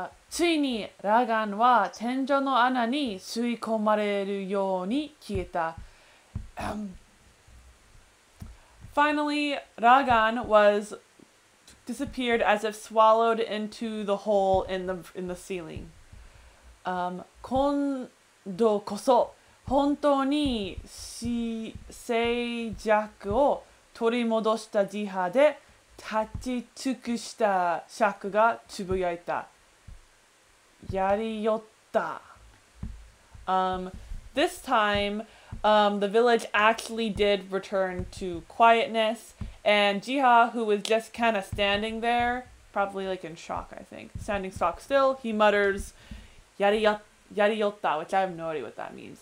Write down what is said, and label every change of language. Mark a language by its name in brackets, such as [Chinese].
[Japanese] ついにラガンは天井の穴に吸い込まれるように消えた。 [English] Finally, Lagann was disappeared as if swallowed into the hole in the ceiling. [Japanese] 今度こそ本当に静寂を取り戻したジハで立ち尽くしたシャクがつぶやいた。やりよった。 [English] This time, the village actually did return to quietness, and Jiha, who was just kind of standing there, probably like in shock, I think, standing stock still, he mutters,Yariyotta, which I have no idea what that means.